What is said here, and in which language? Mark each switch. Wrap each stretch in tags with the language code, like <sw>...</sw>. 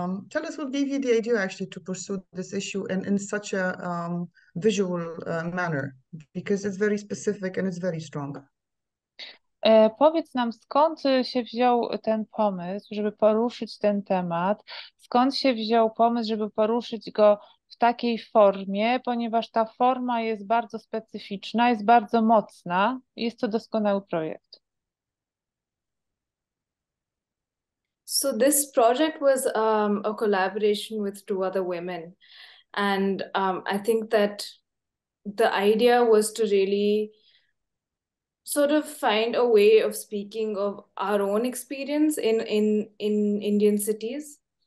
<en>Tell us what gave you the idea actually to pursue this issue and in such a visual manner, because it's very specific and it's very strong.</en> <pl>Powiedz nam, skąd się wziął ten pomysł, żeby poruszyć ten temat? Skąd się wziął pomysł, żeby poruszyć go w takiej formie, ponieważ ta forma jest bardzo specyficzna, jest bardzo mocna. Jest to doskonały projekt.</pl> <en>So this project was a collaboration with two other women. And I think that the idea was to really sort of find a way of speaking of our own experience in Indian cities.</en>